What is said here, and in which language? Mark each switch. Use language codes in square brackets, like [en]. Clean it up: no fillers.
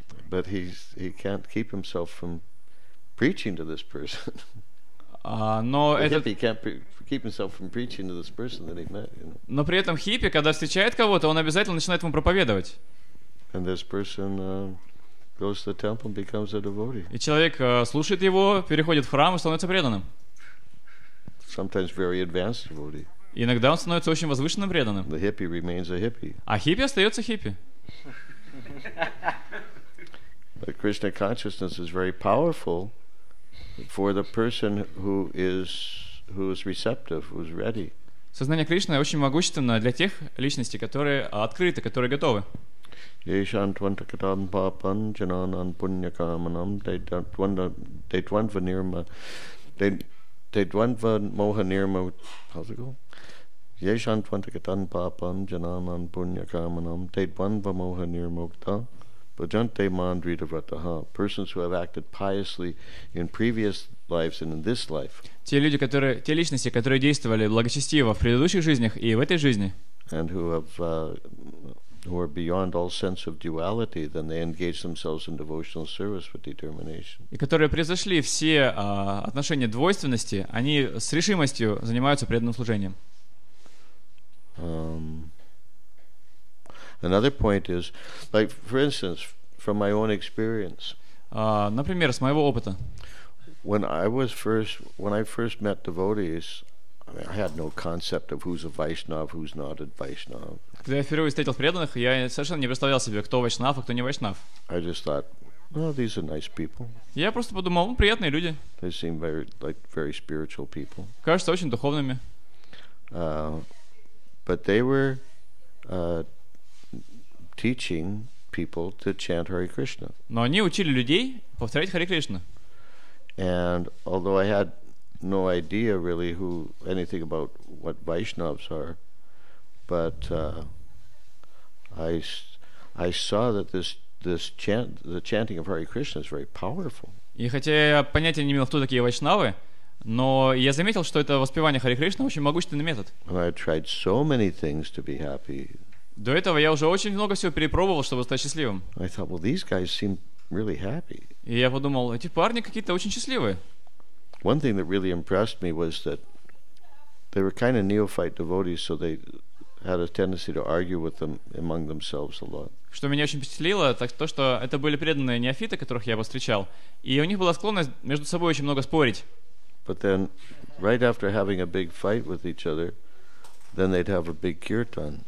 [en] But he can't keep himself from preaching to this person. [ru] Но при этом хиппи, когда встречает кого-то, он обязательно начинает ему проповедовать. [en] And this person goes to the temple and becomes a devotee. [ru] И человек слушает его, переходит в храм и становится преданным. [en] Sometimes very advanced devotee. [ru] Иногда он становится очень возвышенным преданным. [en] The hippie remains a hippie. [ru] А хиппи остается хиппи. [en] But Krishna consciousness is very powerful for the person who is receptive, who's ready. [ru] Сознание Кришны очень могущественно для тех личностей, которые открыты, которые готовы. [sa] Ешан твантакатам папан джананан пуньякаманам дейтвандва моха нирма. [en] How's it go? [sa] Ешан твантакатам папан джананан пуньякаманам дейтвандва моха нирмукта. Bhajante mandrita vrataha. [en] Persons who have acted piously in previous lives and in this life. [ru] Те личности, которые действовали благочестиво в предыдущих жизнях и в этой жизни. [en] And who are beyond all sense of duality, then they engage themselves in devotional service with determination. [ru] И которые превзошли все отношения двойственности, они с решимостью занимаются преданным служением. [en] Another point is, like, for instance, from my own experience. [ru] Например, с моего опыта. [en] When I first met devotees, I mean, I had no concept of who's a Vaishnav, who's not a Vaishnav. [ru] Когда я впервые встретил преданных, я совершенно не представлял себе, кто Вайшнав, а кто не Вайшнав. [en] I just thought, well, these are nice people. [ru] Я просто подумал, приятные люди. [en] They seem very, like, very spiritual people. [ru] Кажутся очень духовными. [en] But they were teaching people to chant Hare Krishna. [ru] Но они учили людей повторять Харе Кришна. [en] And although I had no idea really who anything about what Vaishnavs are, but I saw that this chant, the chanting of Hare Krishna is very powerful. [ru] И хотя я понятия не имел, кто такие вайшнавы, но я заметил, что это воспевание Харе Кришна очень могущественный метод. [en] And I tried so many things to be happy. [ru] До этого я уже очень много всего перепробовал, чтобы стать счастливым. [en] I thought, well, these guys seem really happy. [ru] И я подумал, эти парни какие-то очень счастливые. [en] One thing that really impressed me was that they were kind of neophyte devotees, so they had a tendency to argue with them among themselves a lot. [ru] Что меня очень впечатлило, так то, что это были преданные неофиты, которых я повстречал, и у них была склонность между собой очень много спорить. [en] But then, right after having a big fight with each other, then they'd have a big kirtan.